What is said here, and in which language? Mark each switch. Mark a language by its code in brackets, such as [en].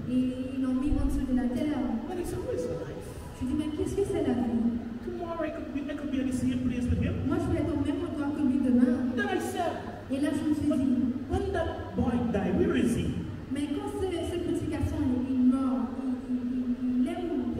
[fr] Et ils l'ont mis en dessous de la terre. [en] But it's always life. [fr] Je dis, mais qu'est-ce que c'est la vie? [en] Tomorrow I could be in the same place with him. [fr] Moi, je vais être au même endroit que lui demain. [en] Then I said, [fr] et là, je me suis dit, [en] when that boy died, where is he? [fr] Mais quand ce petit garçon est mort, il est où?